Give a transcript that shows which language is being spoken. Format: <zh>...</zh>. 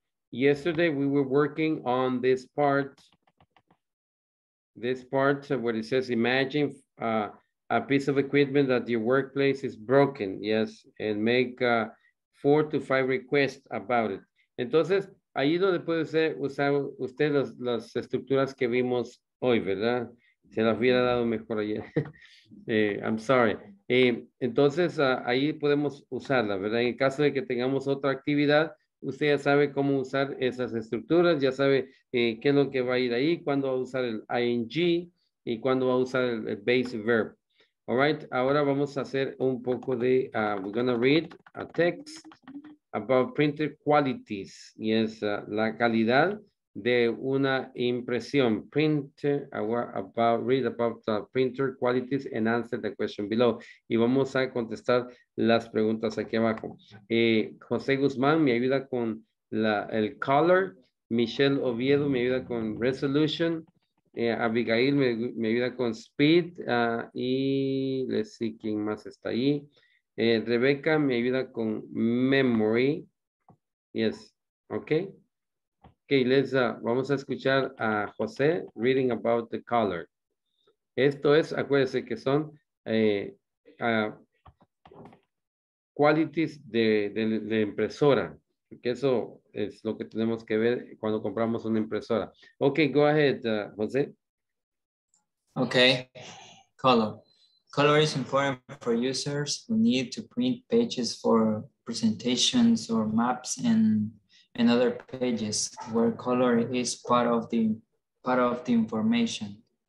<en>Yesterday we were working on this part where it says, imagine a piece of equipment that your workplace is broken, yes, and make 4 to 5 requests about it.</en> <es>Entonces, ahí donde puede usar usted las estructuras que vimos hoy, ¿verdad? Se las hubiera dado mejor ayer.</es> <en>I'm sorry.</en> <es>Entonces, ahí podemos usarla, ¿verdad? En el caso de que tengamos otra actividad, usted ya sabe cómo usar esas estructuras, ya sabe qué es lo que va a ir ahí, cuándo va a usar el ing y cuándo va a usar el base verb.</es> <en>All right,</en> <es>ahora vamos a hacer un poco de,</es> <en>we're going to read a text about printer qualities,</en> <es>y es la calidad de una impresión.</es> <en>Printer, read about the printer qualities and answer the question below.</en> <es>Y vamos a contestar las preguntas aquí abajo. José Guzmán me ayuda con el color. Michelle Oviedo me ayuda con resolution. Abigail me ayuda con speed. Y</es> <en>let's see</en> <es>quién más está ahí. Rebeca me ayuda con memory.</es> <en>Yes. Okay. Okay, let's</en> <es>vamos a escuchar a</es> <en>José reading about the color.</en> <es>Esto es, acuérdense que son qualities de impresora. Que eso es lo que tenemos que ver cuando compramos una impresora.</es> <en>Okay, go ahead, José. Okay. Color. Color is important for users who need to print pages for presentations or maps and other pages where color is part of the information.</en>